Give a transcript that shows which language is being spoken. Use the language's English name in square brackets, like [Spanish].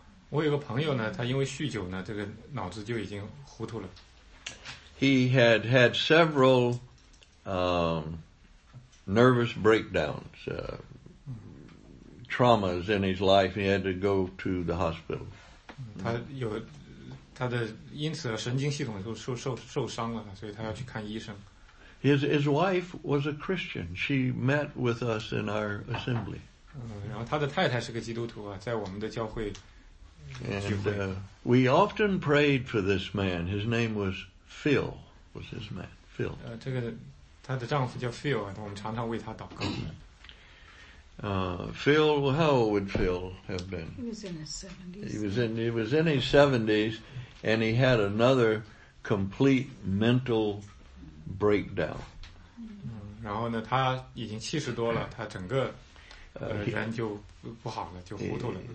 [Chinese] 我有个朋友呢，他因为酗酒呢，这个脑子就已经糊涂了。 [English] He had had several nervous breakdowns, traumas in his life. He had to go to the hospital. [Chinese] 他的因此神经系统就受伤了，所以他要去看医生。 [English] His wife was a Christian. She met with us in our assembly. [Chinese] 然后他的太太是个基督徒啊，在我们的教会聚会。 [English] And we often prayed for this man. His name was Phil. Was his man Phil? [Chinese] 这个他的丈夫叫 Phil， 我们常常为他祷告。 [English] Phil, how old would Phil have been? He was in his 70s. He was in his 70s, and he had another complete mental breakdown. [Chinese] 然后呢，他已经七十多了，他整个人就不好了，就糊涂了。